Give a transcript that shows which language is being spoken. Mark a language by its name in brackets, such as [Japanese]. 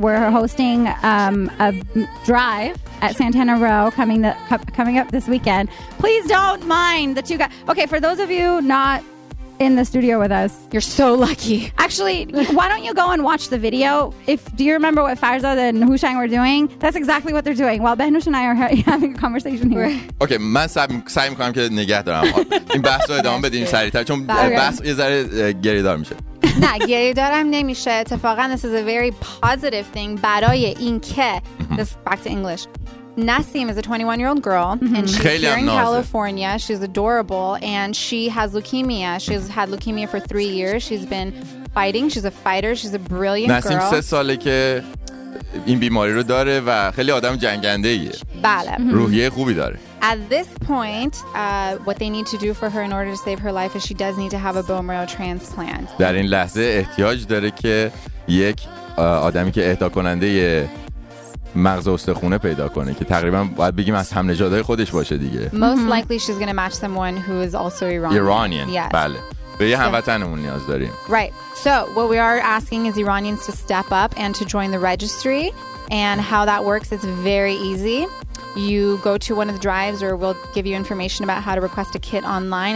[English] We're hosting a drive at Santana Row coming up this weekend. Please don't mind the two guys. Okay, for those of you not in the studio with us, you're so lucky. Actually, why don't you go and watch the video? Do you remember what Farzad and Hushang were doing? That's exactly what they're doing. While Behnush and I are having a conversation here. [Persian] Okay, من سعی میکنم که نگه دارم. این بحث رو ادامه بدیم سریعتر چون بحث یه ذره گریدار میشه. نه گریه دارم نمیشه اتفاقا [English] this is a very positive thing [Persian] برای این که [English] this back to English Nassim is a 21 year old girl and she's here in California she's adorable and she has leukemia she's had leukemia for 3 years she's been fighting she's a fighter she's a brilliant girl [Persian] Nassim 3 ساله که این بیماری رو داره و خیلی آدم جنگنده ایه بله روحیه خوبی داره [English] At this point, what they need to do for her in order to save her life is she does need to have a bone marrow transplant. [Persian] در این لحظه احتیاج داره که یک آدمی که اهدا کننده مغز و استخونه پیدا کنه که تقریبا باید بگیم از هم نژادهای خودش باشه دیگه. [English] Most likely she's going to match someone who is also Iranian. Iranian. Yes. بله. [Persian] به یه هموطنمون نیاز داریم. [English] Right. So, what we are asking is Iranians to step up and to join the registry and how that works it's very easy. You go to one of the drives or we'll give you information about how to request a kit online.